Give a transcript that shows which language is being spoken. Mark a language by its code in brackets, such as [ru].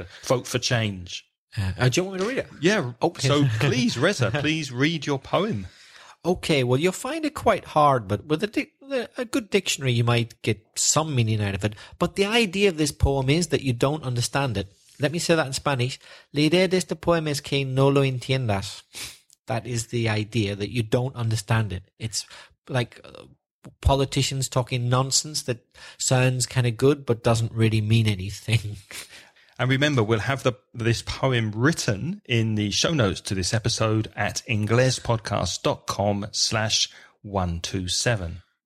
[en] Vote for change. Do you want me to read it? Yeah. Okay. So please, Reza, please read your poem. Okay. Well, you'll find it quite hard, but with a good dictionary, you might get some meaning out of it. But the idea of this poem is that you don't understand it. Let me say that in Spanish. [es] La idea de este poema es que no lo entiendas. [en] That is the idea, that you don't understand it. It's like politicians talking nonsense that sounds kind of good but doesn't really mean anything. And remember, we'll have this poem written in the show notes to this episode at inglespodcast.com/127.